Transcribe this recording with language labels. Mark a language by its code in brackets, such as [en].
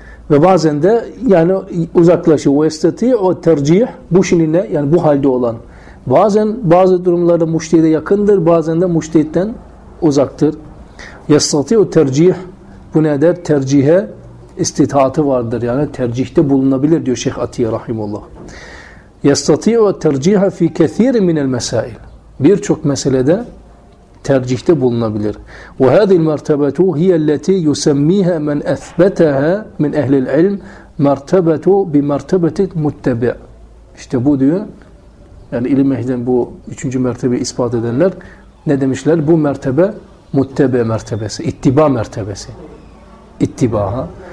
[tr] Ve bazen de yani uzaklaşıyor. Ve istati'u tercih, bu şimdi ne? Yani bu halde olan. Bazen bazı durumlarda müştehide yakındır, bazen de müştehitten uzaktır. Yastati'u tercih, bu ne der? Tercihe istitaatı vardır. Yani tercihte bulunabilir diyor Şeyh Atiye Rahimullah. [ar] يَسْتَطِيعُ وَتَرْجِيهَ فِي كَثِيرٍ مِنَ الْمَسَائِلِ [tr] birçok meselede tercihte bulunabilir. [ar] وَهَذِي الْمَرْتَبَةُ هِيَ الَّتِي يُسَمِّيهَ مَنْ أَثْبَتَهَا مِنْ اَهْلِ الْعِلْمِ مَرْتَبَةُ بِمَرْتَبَةِ مُتَّبِعِ [tr] İşte bu diyor, yani ilim ehliden bu üçüncü mertebeyi ispat edenler ne demişler? Bu mertebe muttebe mertebesi, ittiba mertebesi. İttiba.